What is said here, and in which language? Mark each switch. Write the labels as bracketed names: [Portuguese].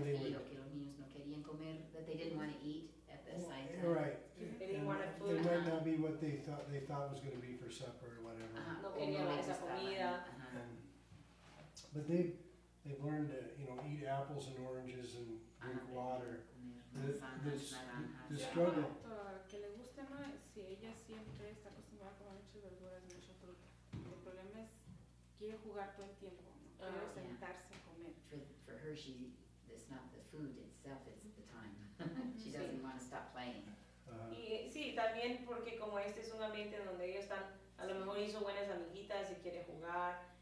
[English] They didn't want to eat at the same time. Right. They didn't want food. It might not be what they thought was going to be for supper or whatever. But they've learned to, you know, eat apples and oranges and drink water. The struggle. [Spanish] Que le guste más si ella siempre está acostumbrada a comer muchas verduras, mucha fruta. El problema es quiere jugar todo el tiempo, no quiere sentarse a comer. [English] For her, it's not the food itself, it's the time. She doesn't want to stop playing. [Spanish] Sí, también porque como este es un ambiente donde ellos están, a lo mejor hizo buenas amiguitas y quiere jugar.